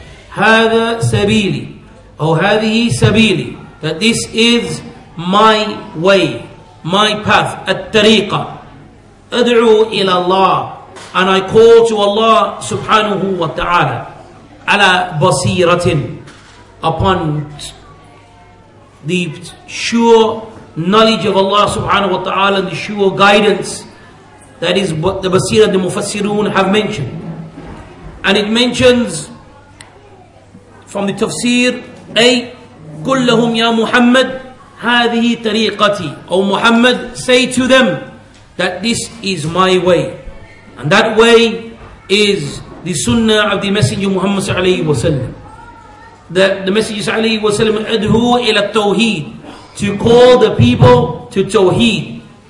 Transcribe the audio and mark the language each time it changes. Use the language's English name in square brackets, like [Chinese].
[Arabic] هذا سبيلي, أو هذه سبيلي, [English] that this is my way, my path, [Arabic] التريقة, أدعو إلى الله, [English] and I call to Allah subhanahu wa ta'ala, [Arabic] على بصيرة, [English] upon the sure knowledge of Allah subhanahu wa ta'ala, the sure guidance. That is what the Basira, the Mufassirun have mentioned. And it mentions from the Tafsir, [Arabic] أي قل لهم يا محمد هذه طريقتي. [English] O Muhammad, say to them that this is my way. And that way is the Sunnah of the Messenger Muhammad sallallahu alayhi wa sallam. That the Messenger sallallahu alayhi wa sallam, [Arabic] أدهو إلى التوحيد, [English] to call the people to Tawheed.